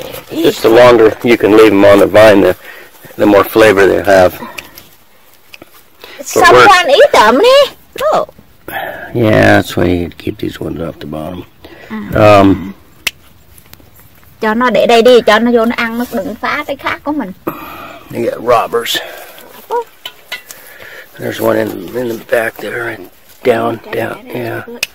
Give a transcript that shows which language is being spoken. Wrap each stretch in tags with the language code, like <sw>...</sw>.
<en>Just the longer you can leave them on the vine, the more flavor they have. Someone eat them, eh? Look. Yeah, that's why you keep these ones off the bottom.</en> <vi>Cho nó để đây đi, cho nó vô nó ăn, nó đừng phá cái khác của mình.</vi> <en>They got robbers. There's one in the back there and down, yeah.</en>